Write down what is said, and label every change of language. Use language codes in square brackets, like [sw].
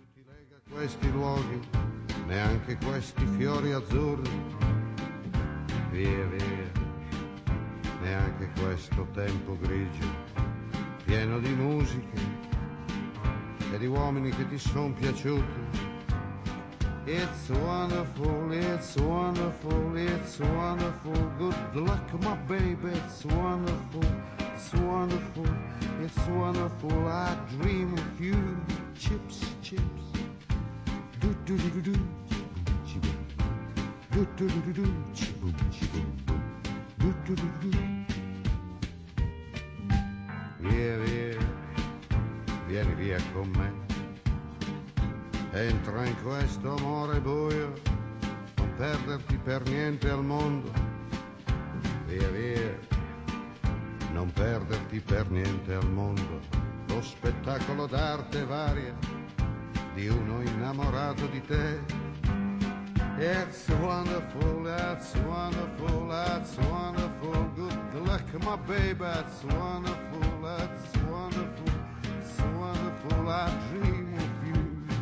[it] lega questi luoghi, neanche questi fiori azzurri. Via, via, neanche questo tempo grigio, pieno di musiche e di uomini che ti son piaciuti. [en] It's wonderful, it's wonderful, it's wonderful, good luck my baby, it's wonderful, it's wonderful, it's wonderful, I dream of you, chips, chips, do do do do do, chip, do do do do do, chip, chip, do do do do. [it] Via, via, vieni via con me. Entra in questo amore buio, non perderti per niente al mondo. Via, via, non perderti per niente al mondo. Lo spettacolo d'arte varia di uno innamorato di te. [en] It's wonderful, that's wonderful, that's wonderful. Good luck, my baby, that's wonderful, that's wonderful. It's wonderful, I dream of you.